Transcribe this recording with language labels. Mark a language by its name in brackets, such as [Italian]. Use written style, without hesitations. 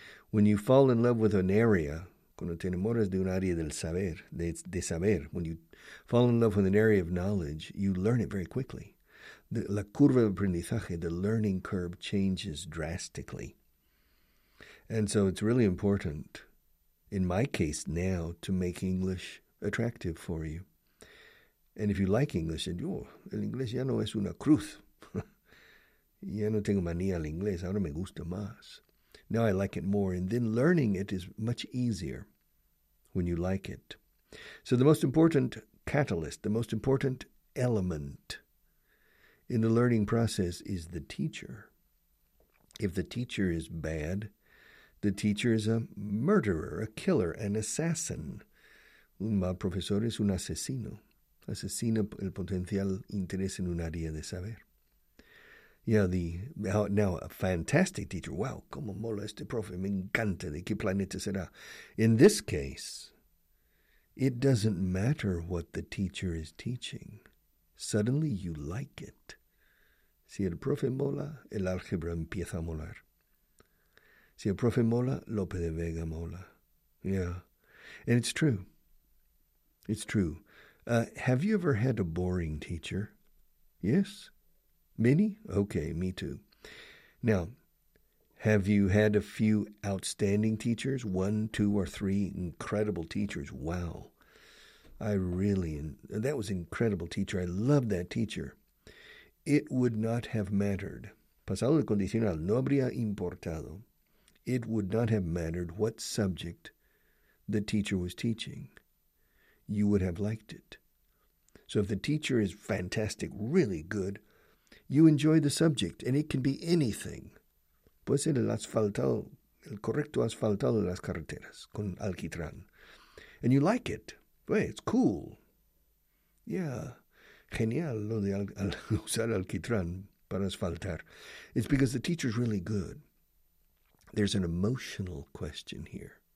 [English] When you fall in love with an area, [Spanish] cuando te enamoras de un área del saber, de saber, [English] when you fall in love with an area of knowledge, you learn it very quickly. [Spanish] La curva de aprendizaje, [English] the learning curve, changes drastically. And so it's really important, in my case now, to make English attractive for you. And if you like English, and [Spanish] el inglés ya no es una cruz. Ya no tengo manía al inglés, ahora me gusta más. [English] Now I like it more, and then learning it is much easier when you like it. So the most important catalyst, the most important element in the learning process is the teacher. If the teacher is bad, the teacher is a murderer, a killer, an assassin. [Spanish] Un mal profesor es un asesino. Asesina el potencial interés en un área de saber. [English] Now a fantastic teacher. [Spanish] Wow, como mola este profe, me encanta, de qué planeta será. [English] In this case, it doesn't matter what the teacher is teaching. Suddenly you like it. [Spanish] Si el profe mola, el álgebra empieza a molar. Si el profe mola, Lope de Vega mola. [English] Yeah, and it's true. It's true. Have you ever had a boring teacher? Yes. Many? Okay, me too. Now, have you had a few outstanding teachers? One, two, or three incredible teachers? Wow. That was an incredible teacher. I loved that teacher. It would not have mattered. [Spanish] Pasado el condicional, no habría importado. [English] It would not have mattered what subject the teacher was teaching. You would have liked it. So if the teacher is fantastic, really good, you enjoy the subject, and it can be anything. [Spanish] Puede ser el asfaltado, el correcto asfaltado de las carreteras, con alquitrán. [English] And you like it. Wait, it's cool. Yeah, [Spanish] genial lo de usar alquitrán para asfaltar. [English] It's because the teacher's really good. There's an emotional question here.